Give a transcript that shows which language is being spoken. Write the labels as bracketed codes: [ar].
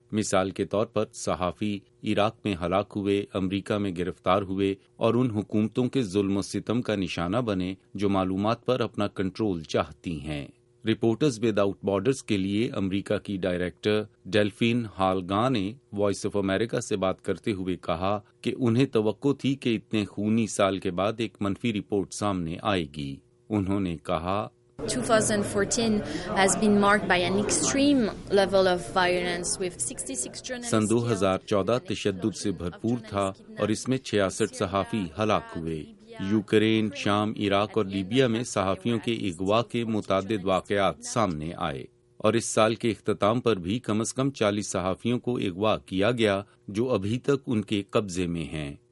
[ur] مثال کے طور پر صحافی عراق میں ہلاک ہوئے، امریکہ میں گرفتار ہوئے اور ان حکومتوں کے ظلم و ستم کا نشانہ بنے جو معلومات پر اپنا کنٹرول چاہتی ہیں. رپورٹرز ود آؤٹ بارڈرز کے لیے امریکہ کی ڈائریکٹر ڈیلفین ہالگا نے وائس آف امریکہ سے بات کرتے ہوئے کہا کہ انہیں توقع تھی کہ اتنے خونی سال کے بعد ایک منفی رپورٹ سامنے آئے گی. انہوں نے کہا [en] 2014 has been marked by an extreme level of violence with 66 journalists. [ur] سن 2014 تشدد سے بھرپور تھا اور اس میں 66 صحافی ہلاک ہوئے. یوکرین، شام، عراق اور لیبیا میں صحافیوں کے اغوا کے متعدد واقعات سامنے آئے اور اس سال کے اختتام پر بھی کم از کم 40 صحافیوں کو اغوا کیا گیا جو ابھی تک ان کے قبضے میں ہیں.